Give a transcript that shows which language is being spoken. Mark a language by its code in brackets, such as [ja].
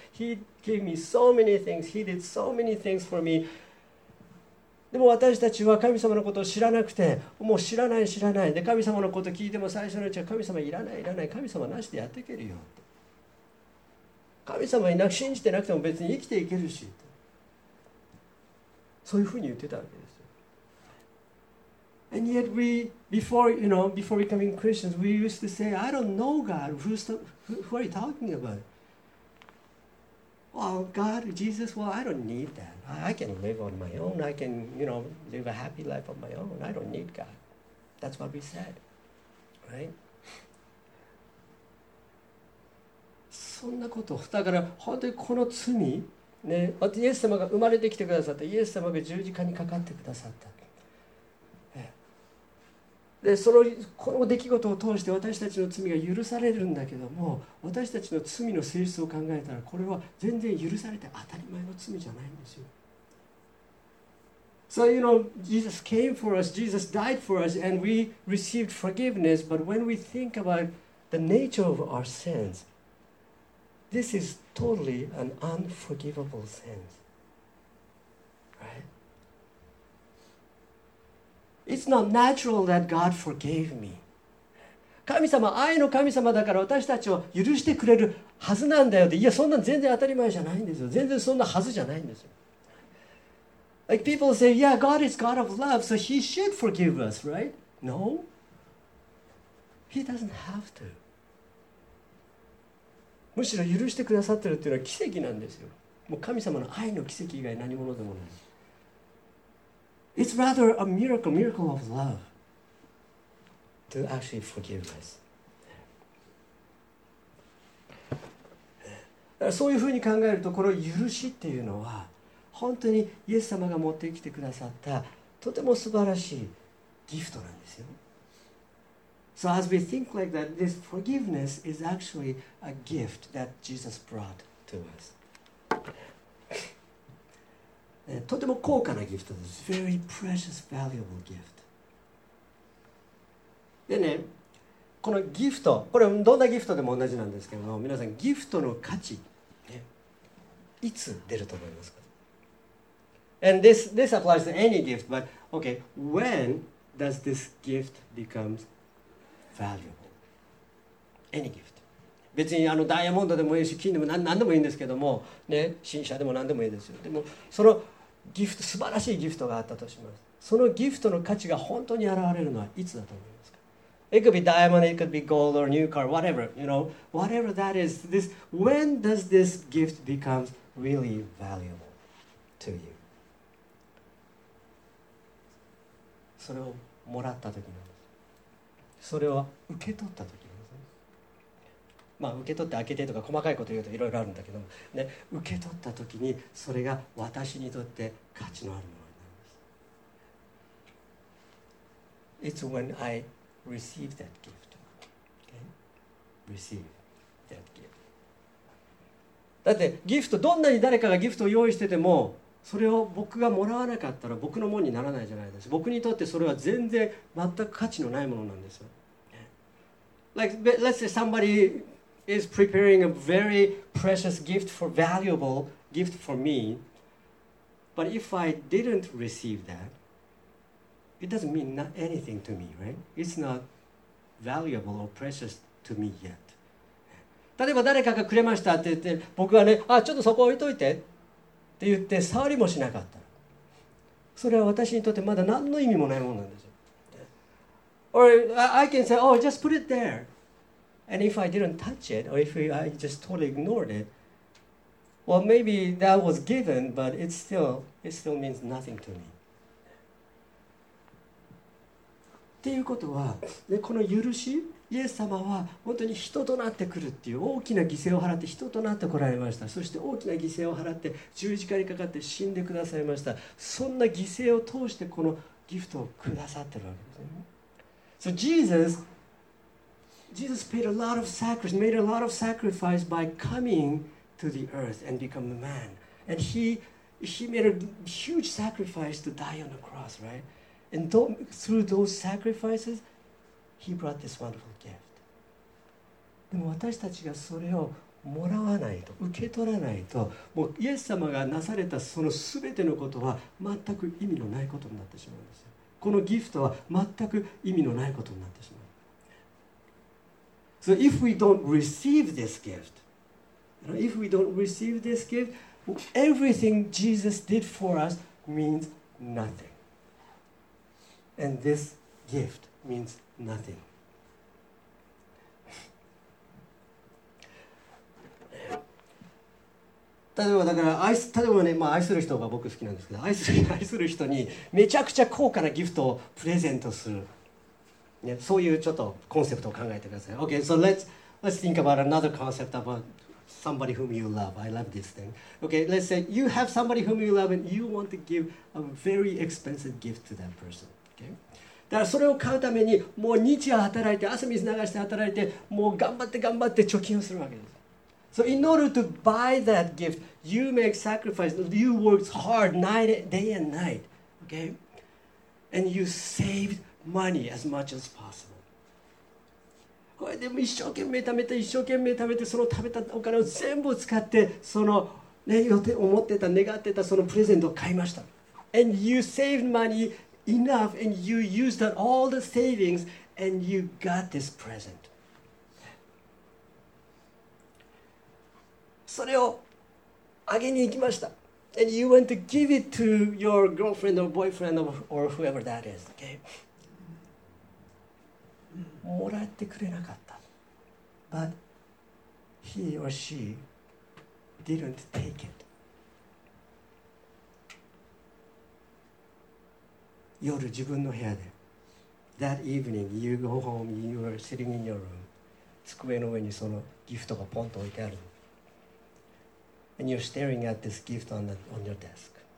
[en] He gave me so many things, He did so many things for me. [ja] でも私たちは神様のことを知らなくて、もう知らない知らない。で、神様のこと聞いても最初のうちは神様いらないいらない、神様なしでやっていけるよ。神様いなく信じてなくても別に生きていけるし、そういうふうに言ってたわけですよ。 [en] And yet we, before, you know, before becoming Christians, we used to say, I don't know God. Who are you talking about? Well, God, Jesus, well, I don't need that. I can live on my own. I can, you know, live a happy life on my own. I don't need God. That's what we said, right? [ja] そんなこと、だから本当にこの罪、ね、イエス様が生まれてきてくださった、イエス様が十字架にかかってくださった。で、その、この出来事を通して私たちの罪が許されるんだけども、私たちの罪の性質を考えたら、これは全然許されて当たり前の罪じゃないんですよ。 [en] So, you know, Jesus came for us, Jesus died for us, and we received forgiveness, but when we think about the nature of our sins, This is totally an unforgivable sin. Right? It's not natural that God forgave me. [ja] 神様、愛の神様だから私たちを許してくれるはずなんだよって、いや、そんなん全然当たり前じゃないんですよ。全然そんなはずじゃないんですよ。 [en] Like people say, yeah, God is God of love, so he should forgive us, right? No. He doesn't have to. [ja] むしろ許してくださってるっていうのは奇跡なんですよ。もう神様の愛の奇跡以外何者でもない。 [en] It's rather a miracle, miracle of love to actually forgive us. [ja] そういうふうに考えると、この許しっていうのは、本当にイエス様が持ってきてくださったとても素晴らしいギフトなんですよ。 [en] So as we think like that, this forgiveness is actually a gift that Jesus brought to us. [ja] とても高価なギフトです。 [en] Very precious, valuable gift. [ja] でね、このギフト、これどんなギフトでも同じなんですけども、皆さんギフトの価値、ね、いつ出ると思いますか？ [en] And this applies to any gift, but okay, when does this gift become valuable? Any gift. [ja] 別にあのダイヤモンドでもいいし、金でも何でもいいんですけども、ね、新車でも何でもいいですよ。でも、そのギフト、素晴らしいギフトがあったとします。そのギフトの価値が本当に現れるのはいつだと思いますか? [en] It could be diamond, it could be gold or new car, whatever, you know. Whatever that is, this, when does this gift become really valuable to you? [ja] それをもらったときなんです。それを受け取ったときなんです。まあ受け取って開けてとか細かいこと言うといろいろあるんだけども、ね、受け取ったときにそれが私にとって価値のあるものになるんです。 [en] It's when I receive that gift. Okay? Receive that gift. [ja] だってギフト、どんなに誰かがギフトを用意してても、それを僕がもらわなかったら僕のものにならないじゃないですか。僕にとってそれは全然全く価値のないものなんですよ。 [en] Like, let's say somebody is preparing a very precious gift for valuable gift for me, but if I didn't receive that, it doesn't mean not anything to me, right? It's not valuable or precious to me yet. [ja] 例えば誰かがくれましたって言って、僕はね、あ、ちょっとそこ置いといて。って言って触りもしなかった。それは私にとってまだ何の意味もないものなんですよ。 [en] Or I can say, oh, just put it there. And if I didn't touch it, or if I just totally ignored it, well, maybe that was given, but it still means nothing to me. [ja] っていうことは、ね、この許し、イエス様は本当に人となってくるっていう、大きな犠牲を払って人となってこられました。そして大きな犠牲を払って十字架にかかって死んでくださいました。そんな犠牲を通してこのギフトをくださってるわけですね。 [en] So Jesus paid a lot of sacrifice, made a lot of sacrifice by coming to the earth and become a man. And he made a huge sacrifice to die on the cross, right? And through those sacrificesHe brought this wonderful gift. [ja] でも私たちがそれをもらわないと、受け取らないと、もうイエス様がなされたその全てのことは全く意味のないことになってしまうんですよ。このギフトは全く意味のないことになってしまう。 [en] So if we don't receive this gift, you know, if we don't receive this gift, everything Jesus did for us means nothing. And this gift means nothing. Nothing. [ja] 例えばね、まあ、愛する人が僕好きなんですけど、愛する人にめちゃくちゃ高価なギフトをプレゼントする、ね、そういうちょっとコンセプトを考えてください。 [en] OK, so let's think about another concept about somebody whom you love. I love this thing. OK, let's say you have somebody whom you love and you want to give a very expensive gift to that person. OK? [ja] だからそれを買うためにもう日夜働いて、汗水流して働いて、もう頑張って貯金をするわけです。 [en] So in order to buy that gift, you make sacrifice, you work hard night, day and night, okay? And you save money as much as possible. [ja] これでも一生懸命貯めて一生懸命貯めて、その貯めたお金を全部使ってそのね、予定思ってた願ってたそのプレゼントを買いました。 [en] And you saved money enough and you used up all the savings and you got this present。 [ja] それをあげに行きました。 [en] And you went to give it to your girlfriend or boyfriend or whoever that is、okay? [ja] もらってくれなかった。 [en] But he or sheDidn't take it. [ja] 夜自分の部屋で [en] That evening you go home, you are sitting in your room. [ja] 机の上にそのギフトがポンと置いてある。 [en] And you're staring at this gift on your desk.